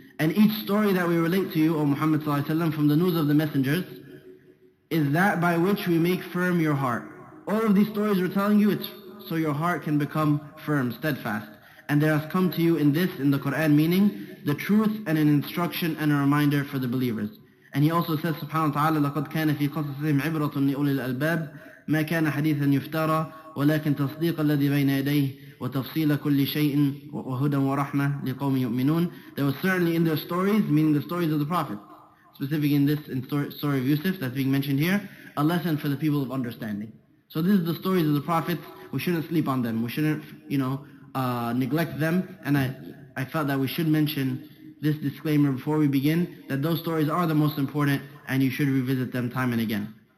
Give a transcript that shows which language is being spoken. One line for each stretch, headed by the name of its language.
English: And each story that we relate to you, O Muhammad sallallahu alayhi wa sallam, from the news of the messengers, is that by which we make firm your heart. All of these stories we're telling you, it's so your heart can become firm, steadfast. And there has come to you in this, in the Quran, meaning the truth and an instruction and a reminder for the believers. And he also says,
Arabic: subhanahu wa ta'ala, لَقَدْ كَانَ فِي قَصَصِهِمْ عِبْرَةٌ لِأُولِي الْأَلْبَابِ مَا كَانَ حَدِيثًا يُفْتَرَى وَلَكِنْ تَصْدِيقَ الَّذِي بَيْنَ يَدَيْهِ وَتَفْصِيلَ كُلِّ شَيْءٍ وَهُدًى وَرَحْمَةً لِقَوْمٍ يُؤْمِنُونَ.
English: There was certainly in their stories, meaning the stories of the Prophet, specifically in this story of Yusuf that's being mentioned here, a lesson for the people of understanding. So this is the stories of the Prophets. We shouldn't sleep on them. We shouldn't, you know, neglect them. And I felt that we should mention this disclaimer before we begin, that those stories are the most important and you should revisit them time and again.